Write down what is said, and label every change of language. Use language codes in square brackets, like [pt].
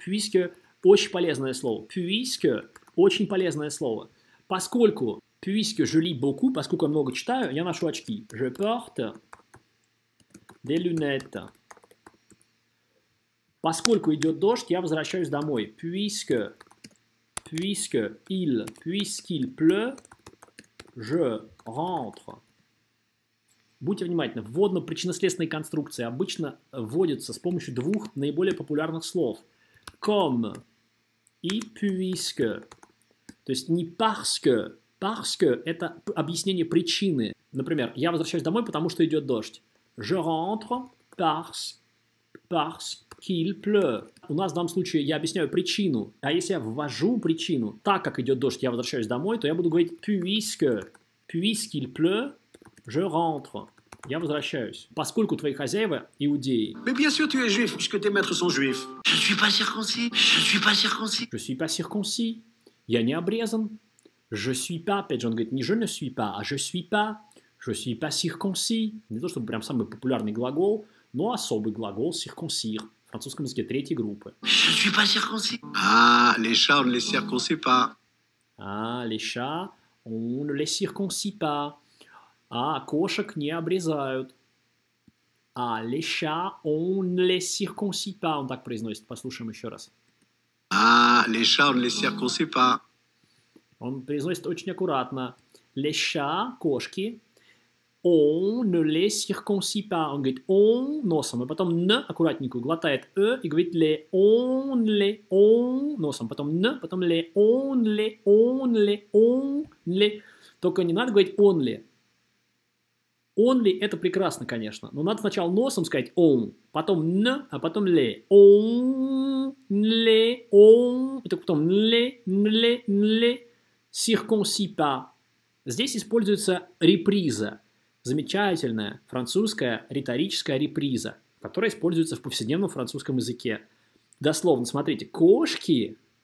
[ru] Puisque. Очень полезное слово. Puisque – очень полезное слово. Поскольку [fr] puisque je lis beaucoup, [ru] поскольку я много читаю, я ношу очки. [fr] Je porte des lunettes. [ru] Поскольку идет дождь, я возвращаюсь домой. [fr] Puisqu'il pleut, je rentre. [ru] Будьте внимательны. Вводно-причинно-следственные конструкции обычно вводятся с помощью двух наиболее популярных слов. Comme – и puisque, то есть не [fr] parce que [ru] это объяснение причины. Например, я возвращаюсь домой, потому что идет дождь. [fr] Je rentre parce qu'il pleut. [ru] У нас в данном случае я объясняю причину, а если я ввожу причину, так как идет дождь, я возвращаюсь домой, то я буду говорить [fr] puisqu'il pleut, je rentre. [ru] Я возвращаюсь, поскольку твои хозяева иудеи. [fr] Mais bien sûr, tu es juif, puisque tes maîtres sont juifs. Je suis pas circoncis. [ru] Я не обрезан. [fr] Je suis pas. [ru] Опять же, он говорит, не [fr] je ne suis pas, [ru] а [fr] je suis pas. Je suis pas circoncis. [ru] Не то, чтобы прям самый популярный глагол, но особый глагол, circoncir. В французском языке третьей группы. [fr] Je suis pas circoncis. Les chats, on ne les circoncis pas. [ru] А кошек не обрезают. А [fr] les chats, on ne les circoncis pas. [ru] Он так произносит. Послушаем еще раз. [fr] Les chats, on ne les circoncis pas. [ru] Он произносит очень аккуратно. [fr] Les chats, [ru] кошки. [fr] On ne les circoncis pas. [ru] Он говорит on носом, а потом ne аккуратненько глотает e и говорит les on les on носом, потом ne, потом les on les on les on les. Только не надо говорить only. Only – это прекрасно, конечно. Но надо сначала носом сказать «он», потом «н», а потом «ле». «Он», «ле», «он», и только потом «нле», «нле», «нле», [fr] «circoncis pas». [ru] Здесь используется реприза. Замечательная французская риторическая реприза, которая используется в повседневном французском языке. Дословно, смотрите, кошки